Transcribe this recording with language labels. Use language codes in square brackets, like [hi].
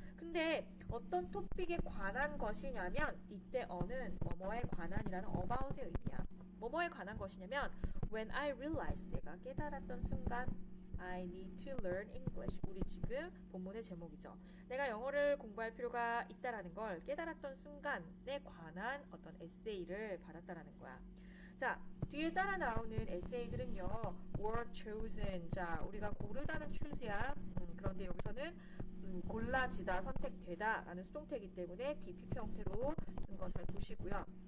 [ko] 근데 어떤 토픽에 관한 것이냐면 이때 어는 뭐뭐에 관한이라는 about의 의미야. 뭐뭐에 관한 것이냐면 [en] When I realized 내가 깨달았던 순간 I need to learn English. [ko] 우리 지금 본문의 제목이죠. 내가 영어를 공부할 필요가 있다라는 걸 깨달았던 순간에 관한 어떤 에세이를 받았다라는 거야. 자, 뒤에 따라 나오는 에세이들은요, [en] were chosen. [ko] 자, 우리가 고르다는 choose야. 그런데 여기서는 골라지다, 선택되다라는 수동태이기 때문에 BP 형태로 쓴거잘 보시고요.